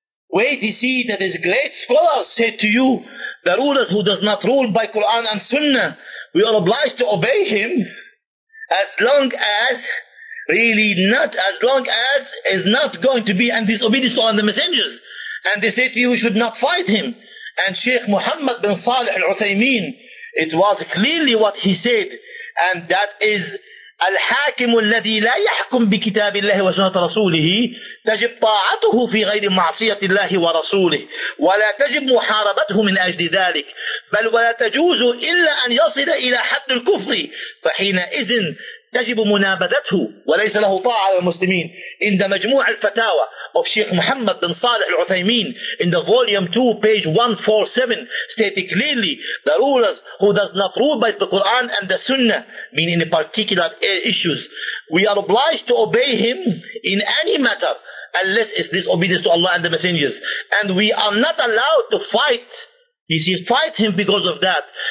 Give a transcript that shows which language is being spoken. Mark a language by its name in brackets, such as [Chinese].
[English] Wait, you see, that is great scholars say to you, the rulers who does not rule by Quran and Sunnah, we are obliged to obey him as long as, really not, as long as is not going to be and disobedience to all the messengers. And they say to you, we should not fight him. And Shaykh Muhammad bin Salih al-Uthaymeen, it was clearly what he said, and that is, [Arabic] الحاكم الذي لا يحكم بكتاب الله وسنة رسوله تجب طاعته في غير معصية الله ورسوله ولا تجب محاربته من أجل ذلك بل ولا تجوز إلا أن يصل إلى حد الكفر فحينئذ تجب منابذته وليس له طاعة على المسلمين. [English] In the مجموع الفتاوى of Sheikh Muhammad bin Salih al-Uthaymeen, in the volume 2 page 147, stated clearly, the rulers who does not rule by the Quran and the Sunnah, meaning in particular issues, we are obliged to obey him in any matter unless it's disobedience to Allah and the messengers, and we are not allowed to fight, you see, fight him because of that.